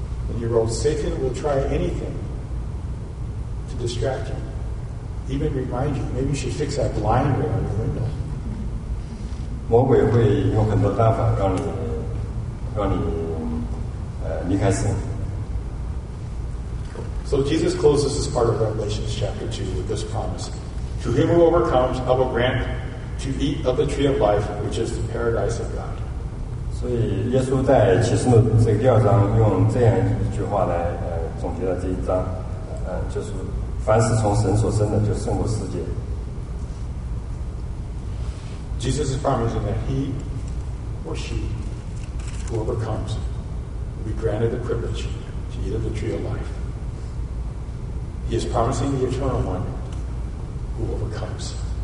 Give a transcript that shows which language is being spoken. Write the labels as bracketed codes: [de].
[en] And your old Satan will try anything to distract you. Even remind you, maybe you should fix that blind on your window. [zh] 魔鬼会用很多办法让你离开神。 [en] So Jesus closes this part of Revelation chapter 2 with this promise. To him who overcomes, I will grant to eat of the tree of life, which is the paradise of God. [zh] 所以耶稣在启示录这个第二章用这样一句话来总结了这一章，就是凡是从神所生的就胜过世界。 [en] Jesus is promising that he or she who overcomes will be granted the privilege to eat of the tree of life. He is promising the eternal one who overcomes.